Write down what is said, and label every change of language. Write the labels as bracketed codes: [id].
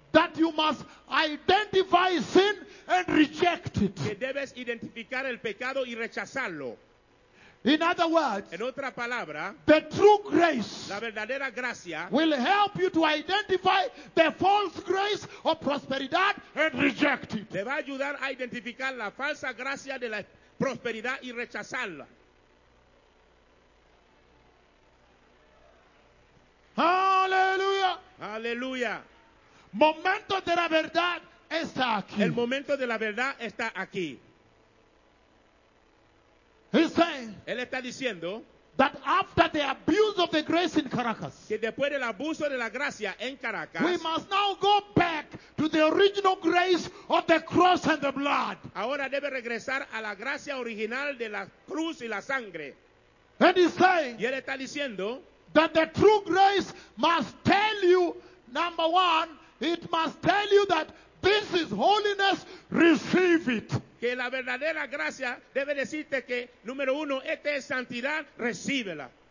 [en] that you must identify sin and reject it. [es] Que debes identificar el pecado y rechazarlo. [en] In other words, [es] en otra palabra, [en] the true grace, [es] la verdadera gracia, [en] will help you to identify the false grace of prosperity and reject it. [es] Te va a ayudar a identificar la falsa gracia de la prosperidad y rechazarla. Hallelujah! Hallelujah! Momento de la verdad está aquí. El momento de la verdad está aquí. [en] He's saying, [es] él está diciendo, [en] that after the abuse of the grace in Caracas, [es] que después del abuso de la gracia en Caracas, [en] we must now go back to the original grace of the cross and the blood. [es] Ahora debe regresar a la gracia original de la cruz y la sangre. [en] And he's saying, [es] y él está diciendo, [en] that the true grace must tell you, number one, it must tell you that this is holiness, receive it. [es] Que la verdadera gracia debe decirte que, número uno, esta es santidad, recíbela.